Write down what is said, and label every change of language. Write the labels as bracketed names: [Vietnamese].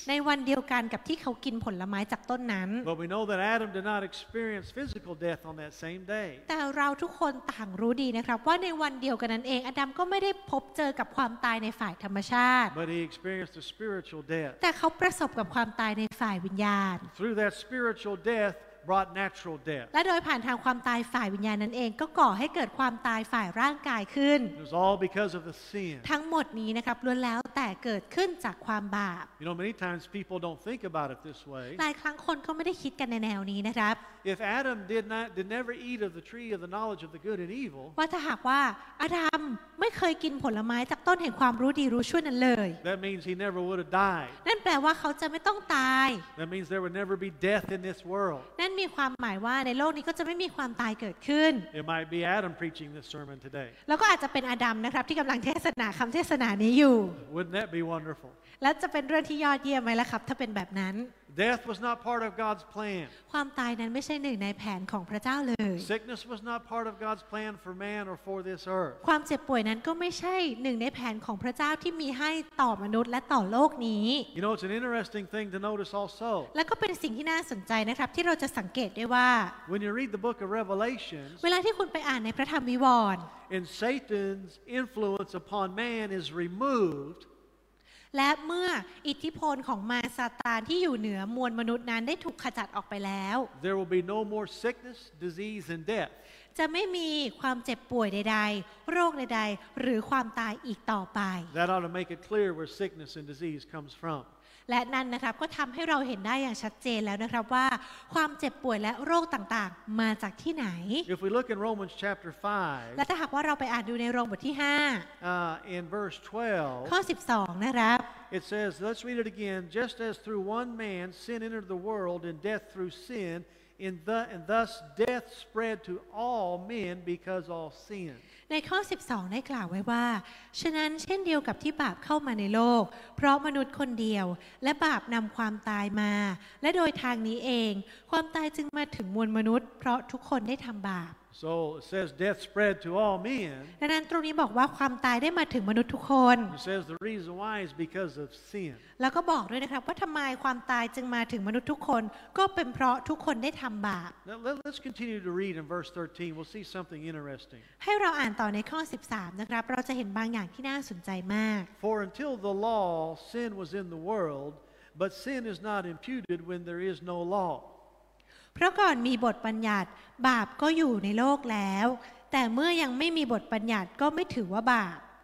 [Thai] ในวันเดียวกันกับที่เขากินผลไม้จากต้นนั้น [English] But we know that Adam did not experience physical death on that same day. [Thai] แต่เราทุกคนต่างรู้ดีนะครับว่าในวันเดียวกันนั้นเองอดัมก็ไม่ได้พบเจอกับความตายในฝ่ายธรรมชาติ [English] But he experienced a spiritual death. [Thai] แต่เขาประสบกับความตายในฝ่ายวิญญาณ [English] Through that spiritual death brought natural death. [Thai] และโดยผ่านทางความตายฝ่ายวิญญาณนั้นเองก็ก่อให้เกิดความตายฝ่ายร่างกายขึ้น [English] It was all because of the sin. [Thai] ทั้งหมดนี้นะครับล้วนแล้วแต่เกิดขึ้นจากความบาป [English] You know, many times people don't think about it this way. [Thai] หลายครั้งคนก็ไม่ได้คิดกันในแนวนี้นะครับ [English] If Adam did never eat of the tree of the knowledge of the good and evil. [Thai] ว่าถ้าหากว่าอดัมไม่เคยกินผลไม้จากต้นแห่งความรู้ดีรู้ชั่วนั้นเลย [English] That means he never would have died. [Thai] นั่นแปลว่าเขาจะไม่ต้องตาย [English] That means there would never be death in this world. [Thai] นั่นมีความหมายว่าในโลกนี้ก็จะไม่มีความตายเกิดขึ้น [English] It might be Adam preaching this sermon today. [Thai] แล้วก็อาจจะเป็นอดัมนะครับที่กำลังเทศนาคำเทศนานี้อยู่ [English] Wouldn't that be wonderful? [Thai] แล้วจะเป็นเรื่องที่ยอดเยี่ยมไหมล่ะครับถ้าเป็นแบบนั้น [English] Death was not part of God's plan. [Thai] ความตายนั้นไม่ใช่หนึ่งในแผนของพระเจ้าเลย [English] Sickness was not part of God's plan for man or for this earth. [Thai] ความเจ็บป่วยนั้นก็ไม่ใช่หนึ่งในแผนของพระเจ้าที่มีให้ต่อมนุษย์และต่อโลกนี้ [English] You know, it's an interesting thing to notice also. [Thai] และก็เป็นสิ่งที่น่าสนใจนะครับที่เราจะสังเกตได้ว่า [English] When you read the book of Revelation, [Thai] เวลาที่คุณไปอ่านในพระธรรมวิวรณ์ [English] And Satan's influence upon man is removed. [Thai] และเมื่ออิทธิพลของมารซาตานที่อยู่เหนือมวลมนุษย์นั้นได้ถูกขจัดออกไปแล้ว [English] There will be no more sickness, disease and death. [Thai] จะไม่มีความเจ็บป่วยใดๆโรคใดๆหรือความตายอีกต่อไป [English] That ought to make it clear where sickness and disease comes from. [Thai] และนั่นนะครับก็ทำให้เราเห็นได้อย่างชัดเจนแล้วนะครับว่าความเจ็บป่วยและโรคต่างๆมาจากที่ไหน [English] If we look in Romans chapter 5 [Thai] และถ้าหากว่าเราไปอ่านดูในโรมบทที่5 [English] in verse 12 [Thai] ข้อ12นะครับ [English] It says let's read it again just as through one man sin entered the world and death through sin and thus death spread to all men because all sinned [Thai] ในข้อ12ได้กล่าวไว้ว่าฉะนั้นเช่นเดียวกับที่บาปเข้ามาในโลกเพราะมนุษย์คนเดียวและบาปนำความตายมาและโดยทางนี้เองความตายจึงมาถึงมวลมนุษย์เพราะทุกคนได้ทำบาป [English] So it says death spread to all men [Thai] ดังนั้นตรงนี้บอกว่าความตายได้มาถึงมนุษย์ทุกคน [English] It says the reason why is because of sin [Thai] แล้วก็บอกด้วยนะครับว่าทำไมความตายจึงมาถึงมนุษย์ทุกคนก็เป็นเพราะทุกคนได้ทำบาป [English] Now let's continue to read in verse 13 we'll see something interesting [Thai] ให้เราอ่านต่อในข้อ13นะครับเราจะเห็นบางอย่างที่น่าสนใจมาก [English] For until the law sin was in the world but sin is not imputed when there is no law [Thai] เพราะก่อนมีบทบัญญัติบาปก็อยู่ในโลกแล้วแต่เมื่อยังไม่มีบทบัญญัติก็ไม่ถือว่าบาป